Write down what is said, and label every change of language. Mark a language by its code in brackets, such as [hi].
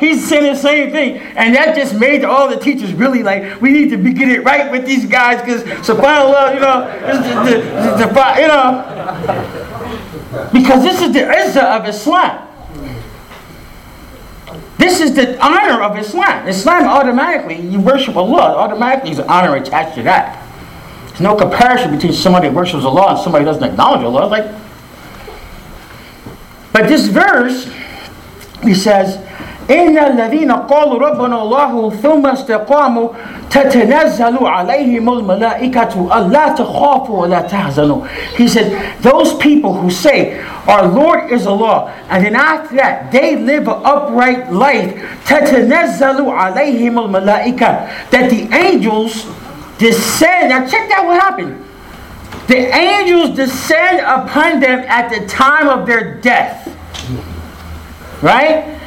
[en] He's saying the same thing, and that just made all the teachers really like, we need to be getting it right with these guys, because subhanAllah, you know, you know, because this is the izzah of Islam. This is the honor of Islam. Islam automatically, you worship Allah, automatically is an honor attached to that. There's no comparison between somebody that worships Allah and somebody that doesn't acknowledge Allah. It's like, but this verse, he says, [ar] إِنَّ الَّذِينَ قَالُوا رَبَّنَا اللَّهُ ثُمَّ اسْتَقَامُوا تَتَنَزَّلُوا عَلَيْهِمُ الْمَلَائِكَةُ أَلَّا تَخَافُوا وَلَا تَحْزَنُوا. [en] He said, those people who say, our Lord is Allah, and then after that, they live an upright life, [ar] تَتَنَزَّلُوا عَلَيْهِمُ الْمَلَائِكَةُ, [en] that the angels descend. Now check that what happened. The angels descend upon them at the time of their death. Right?